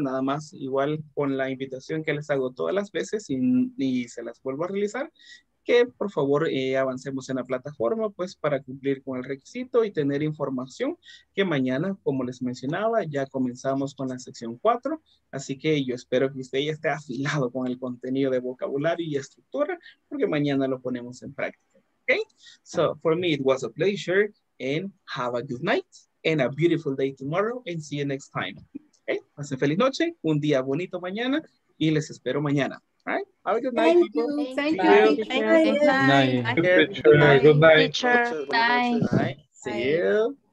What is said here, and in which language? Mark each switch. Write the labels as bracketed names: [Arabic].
[Spanish] Nada más, igual con la invitación que les hago todas las veces y se las vuelvo a realizar, que por favor avancemos en la plataforma, pues, para cumplir con el requisito y tener información que mañana, como les mencionaba, ya comenzamos con la sección 4, así que yo espero que usted ya esté afilado con el contenido de vocabulario y estructura, porque mañana lo ponemos en práctica, ¿ok? [English] So, for me, it was a pleasure, and have a good night, and a beautiful day tomorrow, and see you next time, ¿ok? [Spanish] Pasen feliz noche, un día bonito mañana, y les espero mañana. [English] All right. Have a good night. Thank you. Good night. Good night. See you.